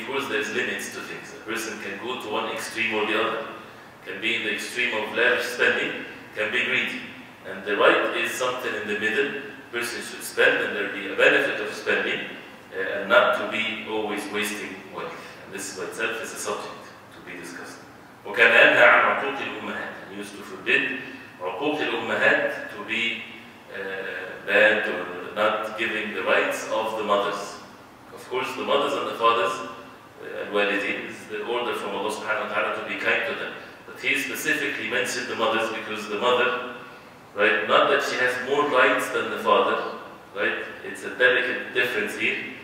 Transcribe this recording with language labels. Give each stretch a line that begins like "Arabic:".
English: Of course, there's limits to things. A person can go to one extreme or the other. Can be in the extreme of lavish spending, can be greedy. And the right is something in the middle. A person should spend, and there be a benefit of spending, and not to be always wasting wealth. And this by itself is a subject to be discussed.
Arabic: وكان أنهى عن عقوق الأمهات.
English: And used to forbid عقوق الأمهات to be bad or not giving the rights of the mothers. Of course, the mothers and the fathers, al-walidin, is the order from Allah subhanahu wa ta'ala to be kind to them. But he specifically mentioned the mothers because the mother, right, not that she has more rights than the father, right, it's a delicate difference here.